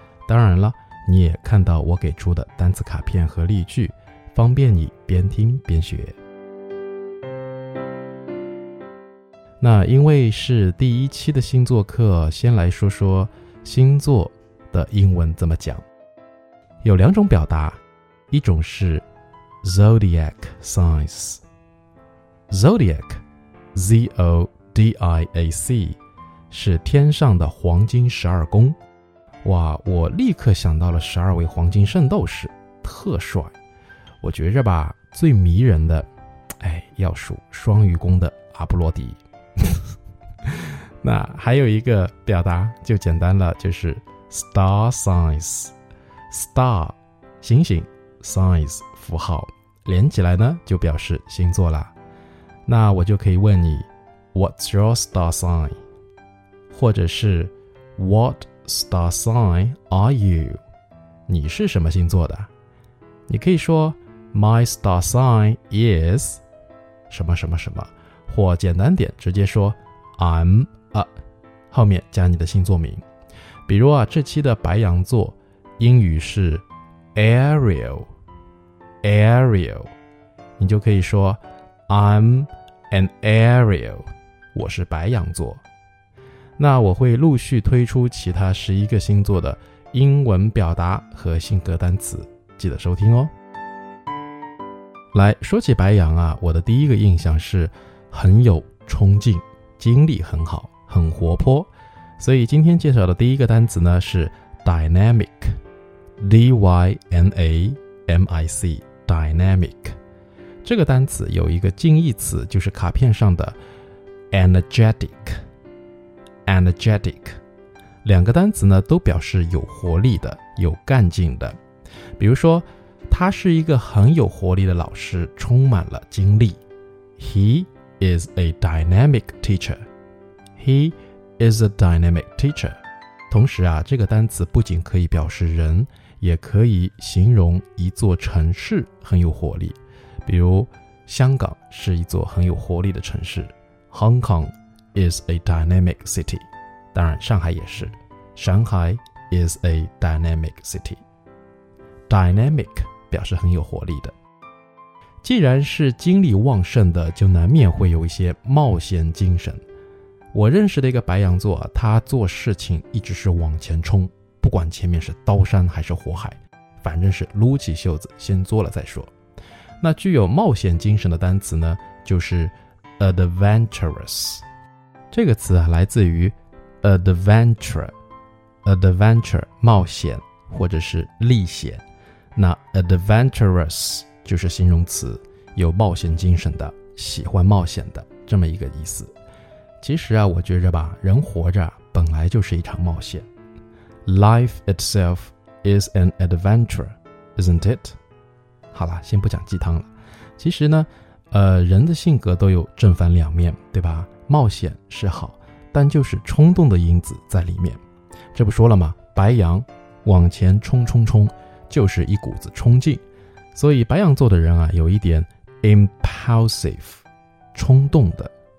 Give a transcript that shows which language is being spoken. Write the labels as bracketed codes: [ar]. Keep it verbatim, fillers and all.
[zh] 当然了，你也看到我给出的单词卡片和例句，方便你边听边学。那因为是第一期的星座课，先来说说星座的英文怎么讲。有两种表达，一种是 Zodiac Signs， Zodiac Z O D I A C 是天上的黄金十二宫。哇，我立刻想到了十二位黄金圣斗士，特帅。我觉着吧，最迷人的哎，要数双鱼宫的阿波罗迪。那还有一个表达就简单了，就是 Star Signs， Star 星星， Signs 符号，连起来呢就表示星座啦。 [en] 那我就可以问你 What's your star sign？或者是 What star sign are you？ [zh] 你是什么星座的？你可以说 [en] My star sign is [zh] 什么什么什么，或简单点直接说 [en] I'm a， [zh] 后面加你的星座名。比如啊，这期的白羊座英语是 Ariel， Ariel， 你就可以说 [en] I'm an Ariel， [zh] 我是白羊座。那我会陆续推出其他十一个星座的英文表达和性格单词，记得收听哦。来，说起白羊啊，我的第一个印象是很有冲劲，精力很好，很活泼。所以今天介绍的第一个单词呢是 dynamic， D Y N A M I C， dynamic。这个单词有一个近义词，就是卡片上的 energetic， energetic。两个单词呢都表示有活力的，有干劲的。比如说，他是一个很有活力的老师，充满了精力。 [en] He is a dynamic teacher. He is a dynamic teacher. [zh] 同时啊，这个单词不仅可以表示人，也可以形容一座城市很有活力。比如，香港是一座很有活力的城市。 [en] Hong Kong is a dynamic city. [zh] 当然，上海也是。 [en] Shanghai is a dynamic city. [zh] Dynamic 表示很有活力的。既然是精力旺盛的，就难免会有一些冒险精神。我认识的一个白羊座，他做事情一直是往前冲，不管前面是刀山还是火海，反正是撸起袖子先做了再说。那具有冒险精神的单词呢，就是 adventurous。这个词来自于 adventure， adventure 冒险或者是历险。那 adventurous 就是形容词，有冒险精神的，喜欢冒险的，这么一个意思。其实啊，我觉着吧，人活着本来就是一场冒险。 [en] Life itself is an adventure, isn't it? [zh] 好了，先不讲鸡汤了。其实呢，呃，人的性格都有正反两面，对吧？冒险是好，但就是冲动的因子在里面。这不说了吗？白羊往前冲冲冲，就是一股子冲劲。所以白羊座的人啊，有一点 impulsive， 冲动的。